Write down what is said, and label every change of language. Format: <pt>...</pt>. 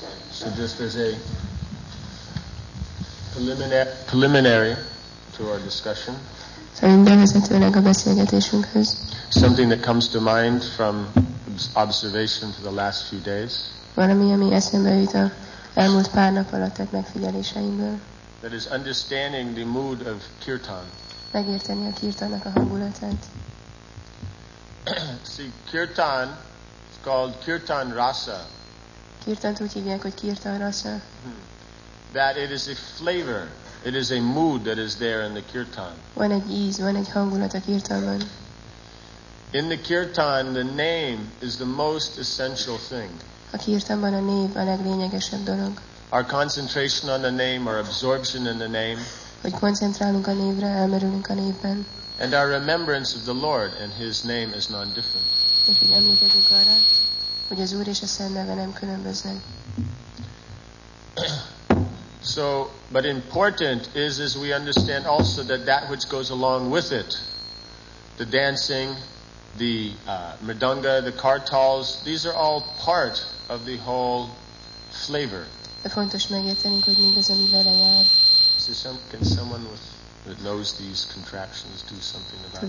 <en>So just as a preliminary to our discussion, something that comes to mind from observation for the last few days, that is understanding the mood of kirtan.</en> <hu>Megérteni a kirtannak a hangulatát.</hu> <en>See, kirtan is called kirtan rasa.</en> <hu>Kirtant úgy hívják, hogy kirtan rasa.</hu> <en>That it is a flavor, it is a mood that is there in the kirtan.</en> <hu>Van egy íz, van egy hangulat a kirtanban.</hu> <en>In the kirtan, the name is the most essential thing.</en> <hu>A kirtanban a név a leglényegesebb dolog.</hu> <en>Our concentration on the name, our absorption in the name,</en> <hu>hogy koncentrálunk a névre, elmerülünk a névben,</hu> <en>and our remembrance of the Lord and His name is non-different.</en> <hu>És hogy emlékezünk arra, hogy az Úr és a Szent neve nem különböznek.</hu> <en>So, but important is, as we understand also, that that which goes along with it, the dancing, the mridanga, the kartals, these are all part of the whole flavor.</en> <hu>De fontos megértenünk, hogy mindez, ami vele jár.</hu> <en>Can someone that knows these contractions do something about it?</en>